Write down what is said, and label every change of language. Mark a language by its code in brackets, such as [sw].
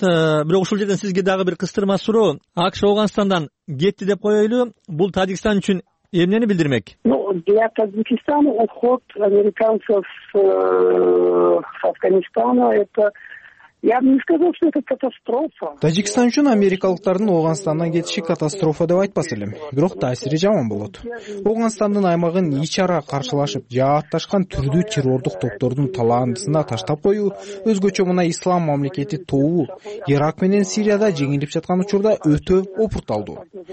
[ky] Бирок ушул жерден сизге дагы бир кыстырма суроо. АКШ Ооганстандан кетти деп коёлу, бул Тажикстан үчүн эмнени билдирмек? [ru] Для Таджикистана уход американцев с Афганистана это... Я бы не сказал, что это катастрофа. [ky] Тажикстан үчүн америкалыктардын Ооганстандан кетиши катастрофа деп айтпас элем, бирок таасири жаман болот. Оогандын аймагын ич ара каршылашып жаатташкан түрдүү террордук топтордун талаандысына таштап коюу, өзгөчө мына ислам мамлекети тобу Ирак менен Сирияда жеңилип жаткан учурда өтө опурталдуу.